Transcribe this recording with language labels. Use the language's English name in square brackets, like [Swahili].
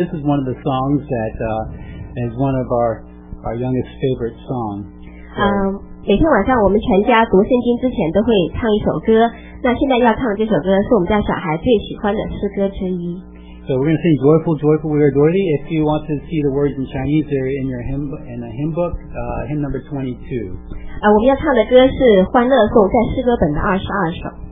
[English] And this is one of the songs that is one of our youngest favorite songs. [Chinese] So, 每天晚上我们全家读圣经之前都会唱一首歌，那现在要唱这首歌是我们家小孩最喜欢的诗歌之一。 [English] So we're going to sing Joyful, Joyful, We Are Glory. If you want to see the words in Chinese, they're in your hymn book, hymn number 22. [Chinese] 我们要唱的歌是欢乐颂，在诗歌本的22首。